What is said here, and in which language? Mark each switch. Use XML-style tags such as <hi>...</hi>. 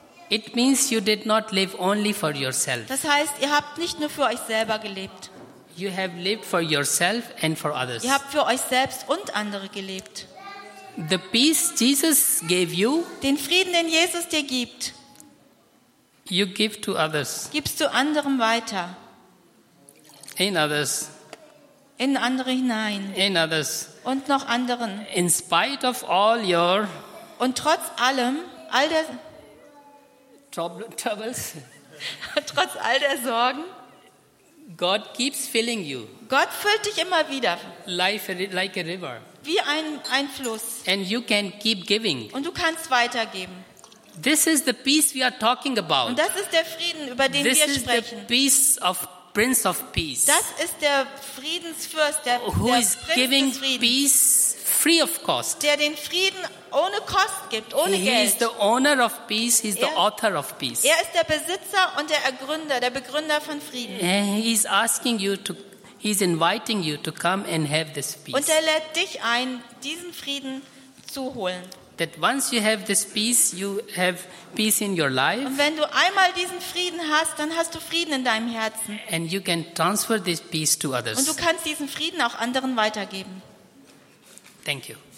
<en>It means you did not live only for yourself.</en> <de>Das heißt, ihr habt nicht nur für euch selber gelebt.</de> <en>You have lived for yourself and for others.</en> <de>Ihr habt für euch selbst und andere gelebt.</de> <en>The peace Jesus gave you,</en> <de>den Frieden, den Jesus dir gibt,</de> <en>you give to others.</en> <de>Gibst du anderen weiter.</de> <en>In others.</en> <de>In andere hinein.</de> <en>In others.</en> <de>Und noch anderen.</de> <en>In spite of all your</en> <de>und trotz allem, all der</de> <en>troubles.</en> <de>Trotz all der Sorgen.</de> <en>God keeps filling you.</en> <de>Gott füllt dich immer wieder.</de> <en>Life like a river.</en> <de>Wie ein Fluss.</de> <en>And you can keep giving.</en> <de>Und du kannst weitergeben.</de> <en>This is the peace we are talking about.</en> <de>Und das ist der Frieden, über den</de> <en>this</en> <de>wir sprechen.</de> <en>This is the peace of Prince of Peace.</en> <de>Das ist der Friedensfürst, der</de> <en>who</en> <de>der</de> <en>is</en> <de>Prinz</de> <en>giving</en> <de>des Friedens,</de> <en>peace free of cost.</en> <de>Der den Frieden ohne Kost gibt, ohne</de> <en>he</en> <de>Geld.</de> <en>He is the owner of peace. He is the author of peace.</en> <de>Er ist der Besitzer und der Ergründer, der Begründer von Frieden.</de> <en>He is inviting you to come and have this peace.</en> <de>Und er lädt dich ein, diesen Frieden zu holen.</de> <en>That once you have this peace, you have peace in your life.</en> <de>Und wenn du einmal diesen Frieden hast, dann hast du Frieden in deinem Herzen.</de> <en>And you can transfer this peace to others.</en> <de>Und du kannst diesen Frieden auch anderen weitergeben.</de> <en>Thank you.</en>